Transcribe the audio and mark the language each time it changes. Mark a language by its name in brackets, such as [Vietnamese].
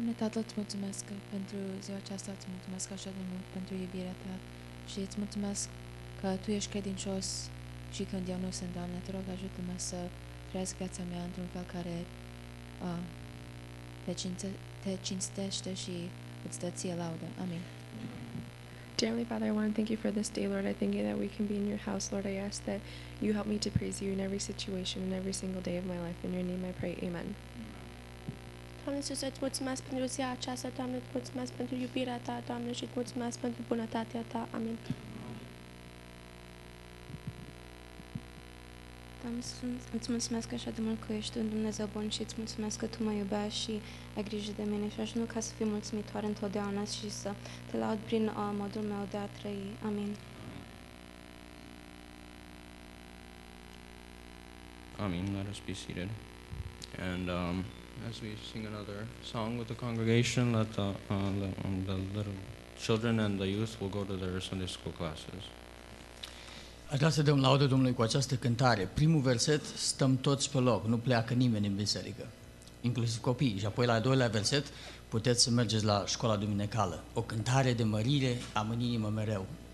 [Romanian] Doamne, Tată, îți mulțumesc pentru ziua aceasta, îți mulțumesc așa de mult pentru iubirea Ta și îți mulțumesc că Tu ești credincios și când eu nu sunt, Doamne, Te rog, ajută-mă să trăiesc viața mea într-un fel care te cinstește și îți dă ție laudă. Amin. [English] Dear Heavenly Father, I want to thank You for this day, Lord. I thank You that we can be in Your house, Lord. I ask that You help me to praise You in every situation and every single day of my life. In Your name I pray, Amen. [Romanian] Doamne Iisuse, îți mulțumesc pentru ziua aceasta, Doamne, îți mulțumesc pentru iubirea Ta, Doamne, și îți mulțumesc pentru bunătatea Ta. Amin. Doamne Iisuse, îți mulțumesc așa de mult că ești un Dumnezeu bun și îți mulțumesc că Tu mă iubești și ai grijă de mine și aș nu ca să fii mulțumitoare întotdeauna și să Te laud prin modul meu de a trăi. Amin. [English] Amin, let us be seated. And, as we sing another song with the congregation, the little children and the youth will go to their Sunday school classes. [Romanian] Aș vrea să dăm laudă Domnului cu această cântare. Primul verset, stăm toți pe loc, nu pleacă nimeni în biserică, inclusiv copiii. Și apoi la al doilea verset, puteți să mergeți la școala duminecală. O cântare de mărire, am în inimă mereu.